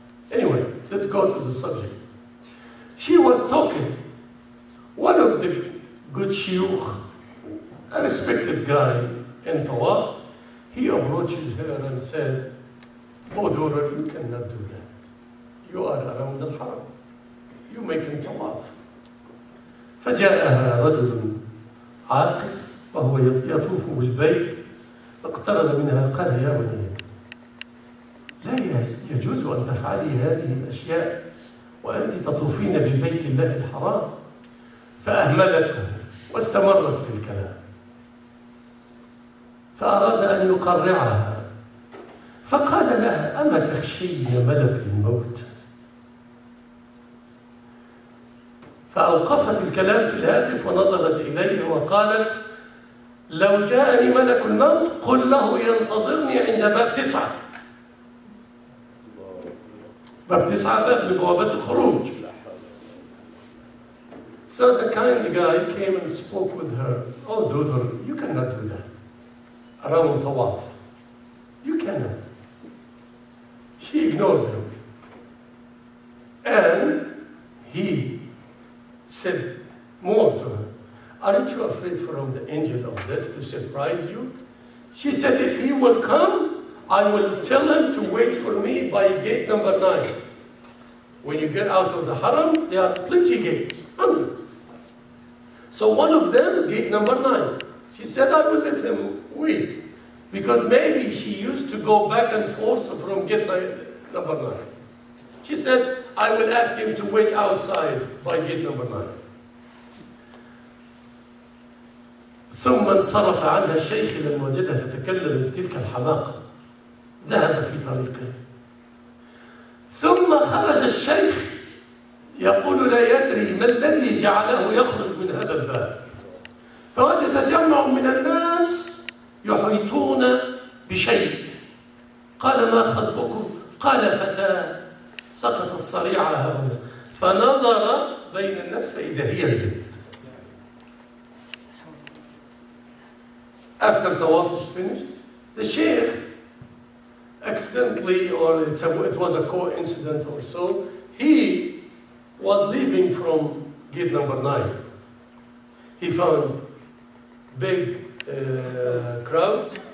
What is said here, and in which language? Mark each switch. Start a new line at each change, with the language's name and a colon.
English: Anyway, let's go to the subject. She was talking. One of the good shiukh, a respected guy in Tawaf, he approached her and said, "Oh daughter, you cannot do that. You are around the haram. You're making Tawaf."
Arabic: فجاءها رجل عاقل وهو يطوف بالبيت اقترب منها قال يا بنيتي لا يجوز أن تفعلي هذه الأشياء وأنت تطوفين بالبيت الله الحرام. فأهملته واستمرت في الكلام فأراد أن يقرعها فقال لها: أما تخشين ملك الموت؟ فأوقفت الكلام في الهاتف ونظرت إليه وقالت: لو جاءني ملك الموت قل له ينتظرني عند باب 9. باب 9 باب من بوابات الخروج.
English: So the kind guy came and spoke with her: "Oh daughter, you cannot do that around Tawaf. You cannot." She ignored him. And he said more to her: "Aren't you afraid from the angel of death to surprise you?" She said, "If he will come, I will tell him to wait for me by gate number 9. When you get out of the haram, there are plenty gates, hundreds. So one of them, gate number 9. She said, "I will let him wait." Because maybe she used to go back and forth from gate number 9. She said, "I will ask him to wait outside by gate number 9.
Arabic: ثم انصرف عنها الشيخ لما وجدها تتكلم بتلك الحماقة. ذهب في طريقه. ثم خرج الشيخ يقول لا يدري ما الذي جعله يخرج من هذا الباب. فوجد جمع من الناس يحيطون بشيء. قال: ما خطبكم؟ قال: فتاة سقطت صريعها. فنظر بين الناس فإذا هي البنت.
English: After tawaf is finished, the sheikh accidentally, or it was a coincidence or so, he was leaving from gate number 9. He found big crowd.